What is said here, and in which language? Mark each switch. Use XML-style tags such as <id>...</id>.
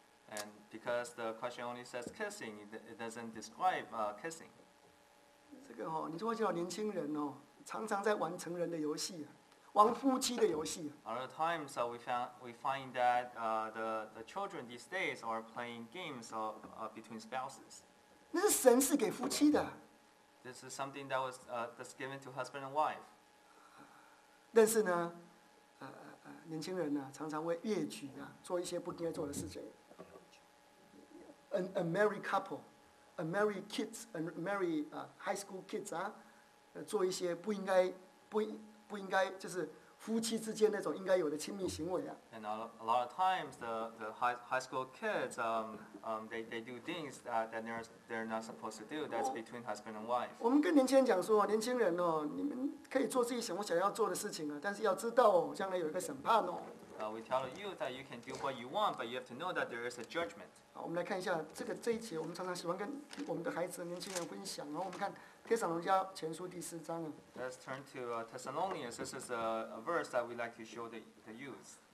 <en>？And because the question only says kissing, it doesn't describe kissing.</en> <zh>这个哦，你就会知道年轻人哦，常常在玩成人的游戏、啊，玩夫妻的游戏、啊。</zh> <en>A lot of times, we find that the children these days are playing games between spouses.</en> <zh>那是神是给夫妻的。</zh> <en>This is something that was that's given to husband and wife.</en> <zh>但是呢，年轻人呢、啊，常常会越矩啊，做一些不应该做的事情。</zh> <en>A married couple, a married kids, a married high school kids</en> <zh>啊，做一些不应该就是夫妻之间那种应该有的亲密行为啊。</zh> <en>And a lot of times the high school kids they do things that they're not supposed to do. That's between husband and wife.</en> <zh>我们跟年轻人讲说，年轻人哦，你们可以做自己想要做的事情啊，但是要知道哦，将来有一个审判哦。</zh> <en>We tell you that you can do what you want, but you have to know that there is a judgment.</en> <zh>好，我们来看一下这一节，我们常常喜欢跟我们的孩子、年轻人分享哦。我们看帖撒罗尼迦前书第四章啊。</zh> <en>Let's turn to Thessalonians. This is a verse that we like to show the youth.</en>